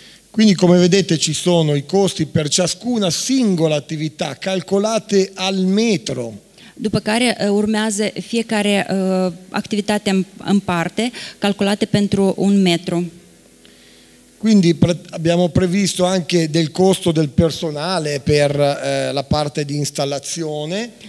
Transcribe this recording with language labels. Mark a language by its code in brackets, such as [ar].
[it] Quindi come vedete ci sono i costi per ciascuna singola attività calcolate al metro. [ro] După care urmează fiecare activitate în parte calculate pentru un metru. [it] Quindi abbiamo previsto anche del costo del personale per la parte di installazione.